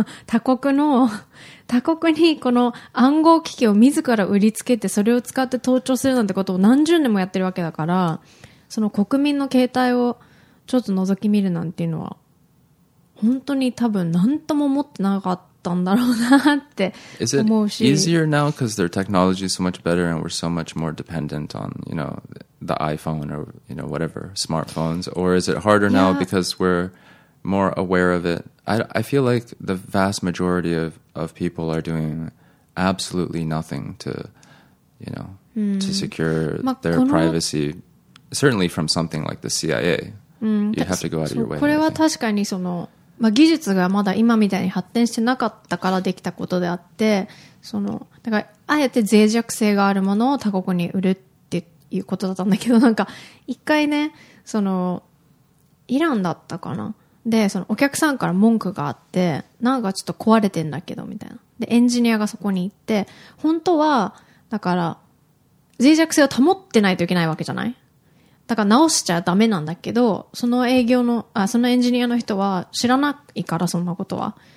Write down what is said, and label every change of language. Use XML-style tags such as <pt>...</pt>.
<ja>他国の他国にこの暗号機器を自ら売りつけて、それを使って盗聴するなんてことを何十年もやってるわけだから。その国民の携帯をちょっと覗き見るなんていうのは本当に多分何とも思ってなかったんだろうなって思うし。</ja> <en>Is it easier now because their technology is so much better and we're so much more dependent on, you know, the iPhone or, you know, whatever, smartphones? Or is it harder now because we're more aware of it? I feel like the vast majority of people are doing absolutely nothing to, you know, to secure their privacy. Certainly from something like the CIA, you have to go out of your way.</en> <ja>これは確かにその、まあ、技術がまだ今みたいに発展してなかったからできたことであって、そのだからあえて脆弱性があるものを他国に売るっていうことだったんだけど、なんか一回ね、そのイランだったかな、でそのお客さんから文句があって、なんかちょっと壊れてんだけどみたいな、でエンジニアがそこに行って、本当はだから脆弱性を保ってないといけないわけじゃない、だから直しちゃダメなんだけど、その営業の、あ、そのエンジニアの人は知らないから、そんなことは。</ja>